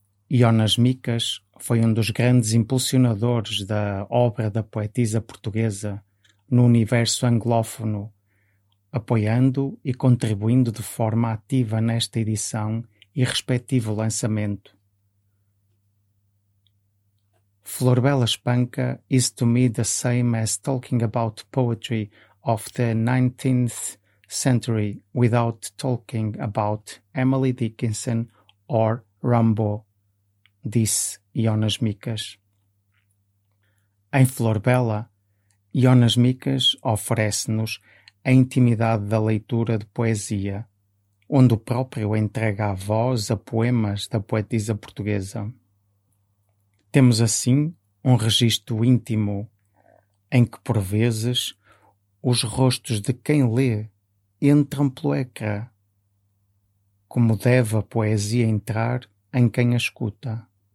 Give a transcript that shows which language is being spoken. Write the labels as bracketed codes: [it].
[pt] Jonas Mikas foi um dos grandes impulsionadores da obra da poetisa portuguesa no universo anglófono, apoiando e contribuindo de forma ativa nesta edição e respectivo lançamento. [en] Flor Bela Espanca is to me the same as talking about poetry of the 19th century without talking about Emily Dickinson or Rambo, [pt] disse Jonas Mikas. Em Flor Bela, Jonas Mikas oferece-nos a intimidade da leitura de poesia, onde o próprio entrega a voz a poemas da poetisa portuguesa. Temos assim um registro íntimo em que, por vezes, os rostos de quem lê entram pelo ecrã, como deve a poesia entrar em quem a escuta.